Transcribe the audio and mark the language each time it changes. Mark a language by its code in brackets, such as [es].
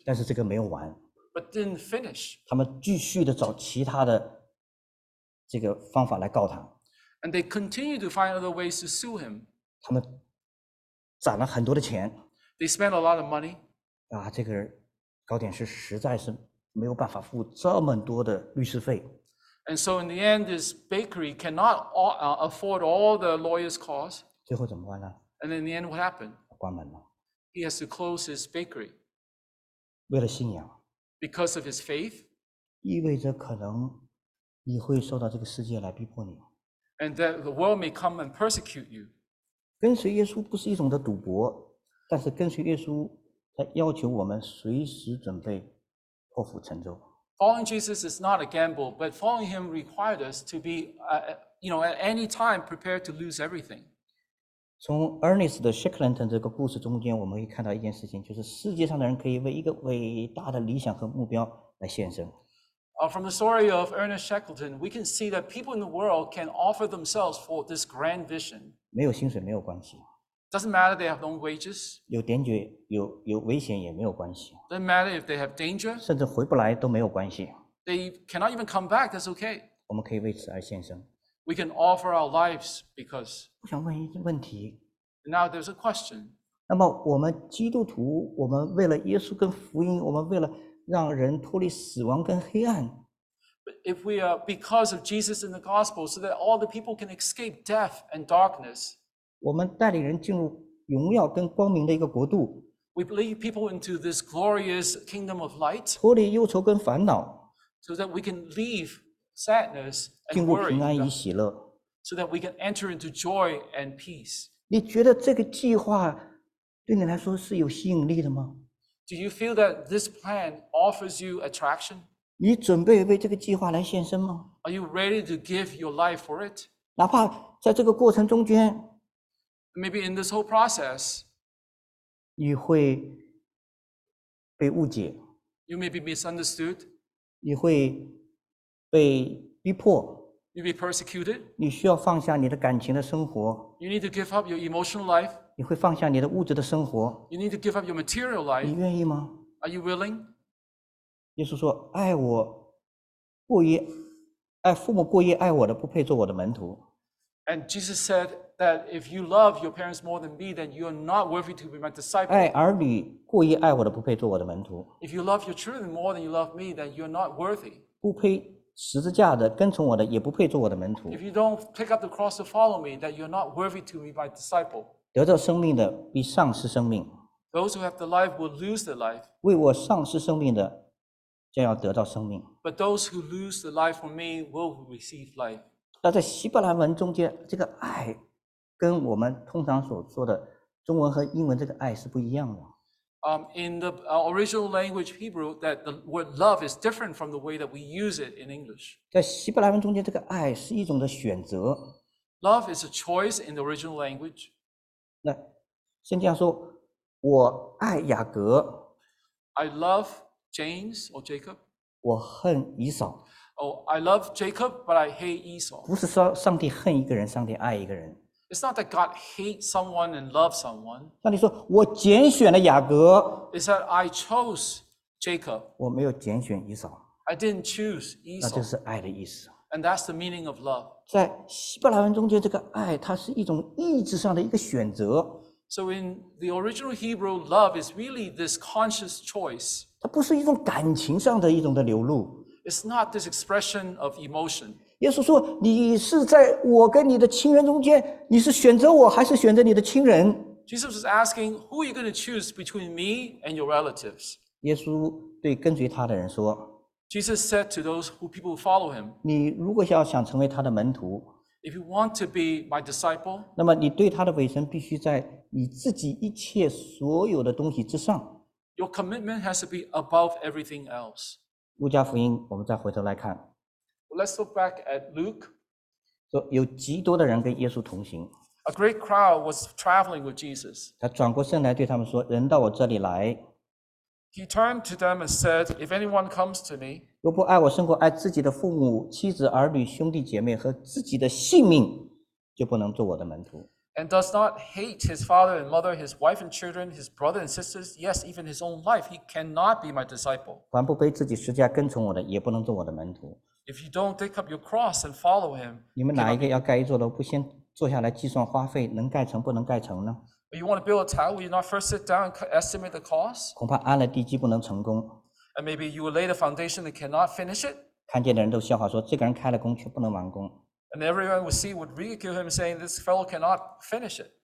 [zh] 但是这个没有完。 [en] But didn't finish. [zh] 他们继续的找其他的这个方法来告他。 [en] And they continue to find other ways to sue him. [zh] 他们攒了很多的钱。 [en] They spent a lot of money. [zh] 啊，这个高点是实在是。没有办法付这么多的律师费。 [en] And so in the end, this bakery cannot afford all the lawyers' costs. [zh] 最后怎么办呢？ [en] And in the end, what happened? [zh] 关门了。 [en] He has to close his bakery. [zh] 为了信仰。 [en] Because of his faith. [zh] 意味着可能你会受到这个世界来逼迫你。 [en] And that the world may come and persecute you. [zh] 跟随耶稣不是一种的赌博，但是跟随耶稣，他要求我们随时准备。 [en] Following Jesus is not a gamble, but following him required us to be, at any time prepared to lose everything. [zh] 从 Ernest 的 Shackleton 这个故事中间，我们可以看到一件事情，就是世界上的人可以为一个伟大的理想和目标来献身。 [en] From the story of Ernest Shackleton, we can see that people in the world can offer themselves for this grand vision. [zh] 没有薪水没有关系。 [en] Doesn't matter if they have no wages. [zh] 有点绝，有危险也没有关系。 [en] Doesn't matter if they have danger. [zh] 甚至回不来都没有关系。 [en] They cannot even come back. That's okay. [zh] 我们可以为此而献身。 [en] We can offer our lives because. [zh] 我想问一个问题。 [en] Now there's a question. [zh] 那么我们基督徒，我们为了耶稣跟福音，我们为了让人脱离死亡跟黑暗。 [en] If we are because of Jesus and the gospel, so that all the people can escape death and darkness. [zh] 我们带领人进入荣耀跟光明的一个国度。 [en] We lead people into this glorious kingdom of light. [zh] 脱离忧愁跟烦恼。 [en] So that we can leave sadness and worry. [zh] 进入平安与喜乐。 [en] So that we can enter into joy and peace. [zh] 你觉得这个计划对你来说是有吸引力的吗？ [en] Do you feel that this plan offers you attraction? [zh] 你准备为这个计划来献身吗？ [en] Are you ready to give your life for it? [zh] 哪怕在这个过程中间。 [en] Maybe in this whole process, [zh] 你会被误解。 [en] You may be misunderstood. [zh] 你会被逼迫。 [en] You be persecuted. [zh] 你需要放下你的感情的生活。 [en] You need to give up your emotional life. [zh] 你会放下你的物质的生活。 [en] You need to give up your material life. [zh] 你愿意吗？ [en] Are you willing? [zh] 耶稣说：“爱我过于爱父母过于爱我的，不配做我的门徒。” [en] And Jesus said. That if you love your parents more than me, then you are not worthy to be my disciple. [zh] 爱儿女过于爱我的，不配做我的门徒。 [en] If you love your children more than you love me, then you are not worthy. [zh] 不配十字架的，跟从我的，也不配做我的门徒。 [en] If you don't pick up the cross to follow me, then you are not worthy to be my disciple. [zh] 得到生命的必丧失生命。 [en] Those who have the life will lose their life. [zh] 为我丧失生命的，将要得到生命。 [en] But those who lose the life for me will receive life. [zh] 那在希伯来文中间，这个爱。跟我们通常所说的中文和英文这个爱是不一样的。 [en] In the original language Hebrew, that the word love is different from the way that we use it in English. [zh] 在希伯来文中间，这个爱是一种的选择。 [en] Love is a choice in the original language. [zh] 那圣经说，我爱雅各。 [en] I love James or Jacob. [zh] 我恨以扫。 [en] Oh, I love Jacob, but I hate Esau. [zh] 不是说上帝恨一个人，上帝爱一个人。 [en] It's not that God hates someone and loves someone. [zh] 上帝说，我拣选了雅各。 [en] It's that I chose Jacob. [zh] 我没有拣选以扫。 [en] I didn't choose Esau. [zh] 那就是爱的意思。 [en] And that's the meaning of love. [zh] 在希伯来文中间，这个爱它是一种意志上的一个选择。 [en] So in the original Hebrew, love is really this conscious choice. [zh] 它不是一种感情上的一种的流露。 [en] It's not this expression of emotion. [zh] 耶稣说：“你是在我跟你的亲人中间，你是选择我还是选择你的亲人 [en] ？”Jesus is asking, "Who are you going to choose between me and your relatives?" [zh] 耶稣对跟随他的人说 [en] Jesus said to those who people follow him, [zh] 你如果要想成为他的门徒， [en] If you want to be my disciple, [zh] 那么你对他的委身必须在你自己一切所有的东西之上。 [en] Your commitment has to be above everything else. [zh] 路加福音我们再回头来看。 [en] Well, let's look back at Luke. [zh] 说有极多的人跟耶稣同行。 [en] A great crowd was traveling with Jesus. [zh] 他转过身来对他们说，人到我这里来。 [en] He turned to them and said, If anyone comes to me, [zh] 若不爱我胜过爱自己的父母、妻子、儿女、兄弟姐妹和自己的性命，就不能做我的门徒。 [en] And does not hate his father and mother, his wife and children, his brother and sisters, yes, even his own life, he cannot be my disciple. [zh] 凡不背自己十字架跟从我的，也不能做我的门徒。 [en] If you don't take up your cross and follow him, [zh] 你们哪一个要盖一座楼，不先坐下来计算花费，能盖成不能盖成呢？ [en] You want to build a tower, will you not first sit down and estimate the cost? [zh] 恐怕安了地基不能成功。 [en] And maybe you will lay the foundation and cannot finish it. [zh] 看见的人都笑话说，这个人开了工却不能完工。 [en] And everyone will see, would ridicule him, saying this fellow cannot finish it.